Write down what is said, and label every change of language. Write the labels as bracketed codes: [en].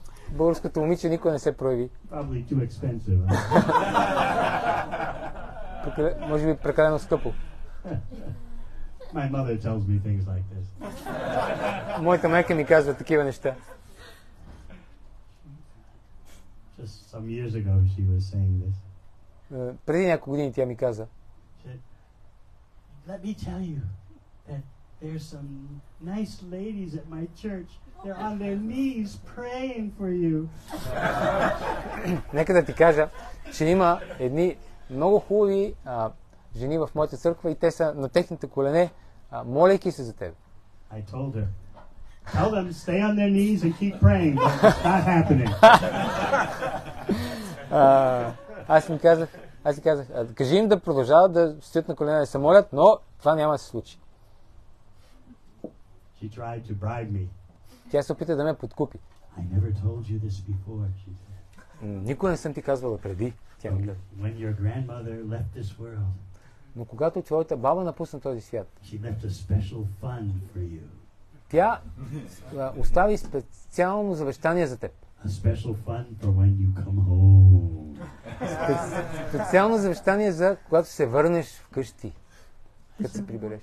[bg] Българското момиче никога не се прояви. [en] Probably too expensive. [bg] Може би прекалено скъпо. [en] My mother tells me things like this. [bg] Моята майка ми казва такива неща. [en] Just some years ago she was saying this. [bg] Преди няколко години тя ми каза. [en] Let me tell you that there's some nice ladies at my church. They're on their knees praying for you. [bg] Нека да ти кажа, че има едни много хубави жени в моята църква и те са на техните колене. Молейки се за теб. [en] I told her. Tell them to stay on their knees and keep praying. It's not happening. [bg] Аз им казах, кажи им да продължават да стоят на колена и се молят, но това няма да се случи. She tried to bribe me. Тя се опита да ме подкупи. I never told you this before, she said. Никога не съм ти казвала преди. Тя ми каза. [en] When your grandmother left this world, [bg] но когато твоята баба напусна този свят, [en] she left a special fund for you. [bg] Тя остави специално завещание за теб. [en] A special fund for when you come home. [bg] Специално завещание за когато се върнеш вкъщи, като се прибереш.